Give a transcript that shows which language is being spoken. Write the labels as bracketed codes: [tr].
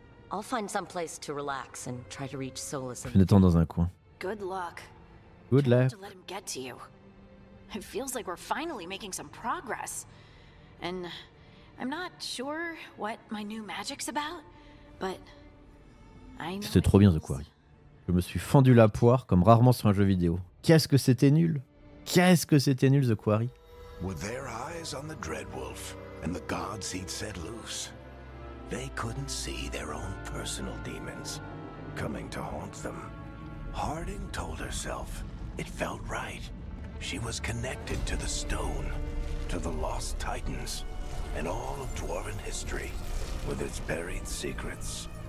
[en] I'll find some place to relax and try to reach Solas. [fr] Je l'attends dans un coin. [en] Good luck. Good luck. To let him get to you. It feels like we're finally making some progress. And I'm not sure what my new magic's about, but I know. [fr] C'était trop bien The Quarry. Je me suis fendu la poire comme rarement sur un jeu vidéo. Qu'est-ce que c'était nul? Qu'est-ce que c'était nul The Quarry? [en] With their eyes on the Dreadwolf and the gods he'd set loose, they couldn't see their own personal demons coming to haunt them. Harding told herself it felt right. She was connected to the stone, to the lost titans, and all of dwarven history with its buried secrets.